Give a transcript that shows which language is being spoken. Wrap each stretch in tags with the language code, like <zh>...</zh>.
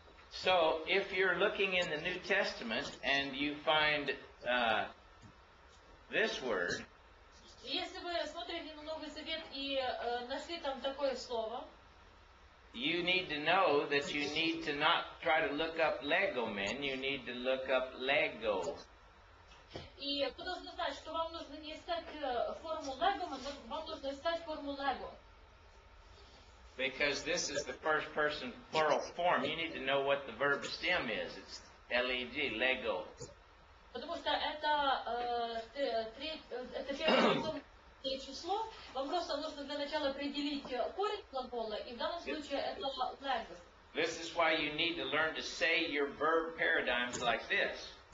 <en>So if you're looking in the New Testament and you find this word,</en> <ru>если вы смотрите на Новый Завет и нашли там такое слово,</ru> <en>you need to know that you need to not try to look up Lego men, you need to look up Lego.</en> <ru>И вы должны знать, что вам нужно не искать форму Lego, вам нужно искать форму Lego.</ru> <en>Because this is the first person plural form, you need to know what the verb stem is. It's L-E-G, Lego.</en> <ru>Потому что это первое число. Вам просто нужно для начала определить корень глагола, и в данном случае это lego.</ru> <en>This is why you need to learn to say your verb paradigms like this.</en>